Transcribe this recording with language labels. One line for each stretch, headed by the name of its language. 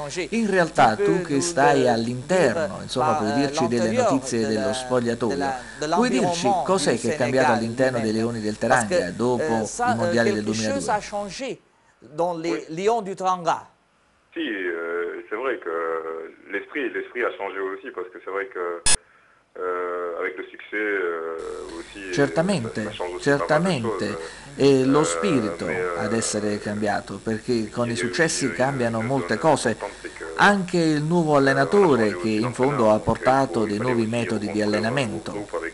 Italian: In realtà tu che stai all'interno, insomma puoi dirci delle notizie dello spogliatoio. Puoi dirci cos'è che è cambiato all'interno dei Leoni del Teranga dopo i mondiali del 2002? Qualcosa ha
French: changé dans les Lions du Teranga? Sì, c'est vrai que l'esprit a changé aussi parce que c'est vrai que avec le succès aussi,
Italian: certamente e lo spirito ad essere cambiato perché con i successi cambiano molte cose, anche il nuovo allenatore che in fondo ha portato dei nuovi metodi di allenamento.